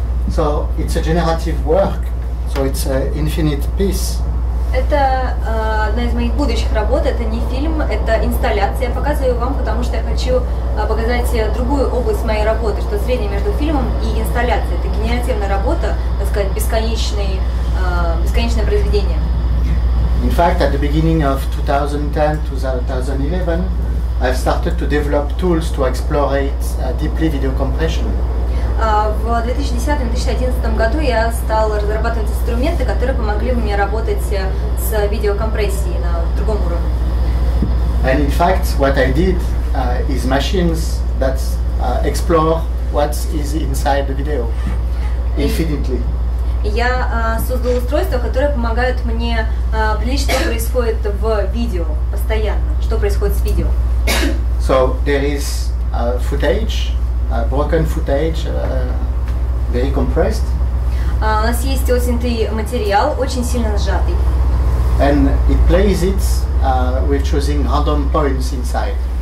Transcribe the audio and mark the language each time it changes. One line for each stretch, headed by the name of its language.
English: So it's a generative work, so it's an infinite piece.
Russian: Это одна из моих будущих работ, это не фильм, это инсталляция. Я показываю вам, потому что я хочу показать другую область моей работы, что среднее между фильмом и инсталляцией. Это генеративная работа, так сказать, бесконечное произведение.
English: In fact, at the beginning of 2010-2011, I've started to develop tools to explorate deeply video compression.
Russian: В 2010-2011 году я стал разрабатывать инструменты, которые помогли бы мне работать с видеокомпрессией на другом уровне.
English: And in fact, what I did is machines that explore what is inside the video infinitely.
Russian: Я создал устройства, которые помогают мне определить, что происходит в видео постоянно, что происходит с видео.
English: So there is footage. Broken footage, very compressed.
Russian: У нас есть отснятый материал, очень сильно сжатый.
English: And it plays it with choosing random points inside.